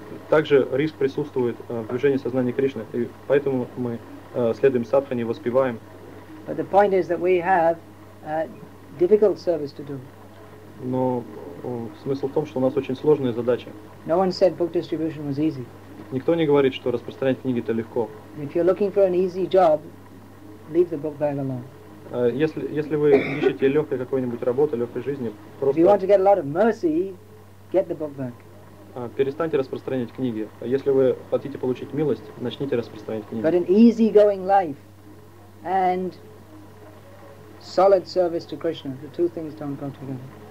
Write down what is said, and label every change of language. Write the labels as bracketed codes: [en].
[ru] Также риск присутствует в движении сознания Кришны, и поэтому мы следуем садхане, воспеваем. [en] But the point is that we have a difficult service to do. [ru] Но смысл в том, что у нас очень сложная задача. [en] No one said book distribution was easy. [ru] Никто не говорит, что распространять книги — это легко. [en] If you're looking for an easy job, leave the book bag alone. [ru] Если вы ищете легкой какой-нибудь работы, легкой жизни, просто. [en] If you want to get a lot of mercy, get the book bag. [ru] Перестаньте распространять книги. Если вы хотите получить милость, начните распространять книги. [en] But an easy-going life and solid service to Krishna, the two things don't go together.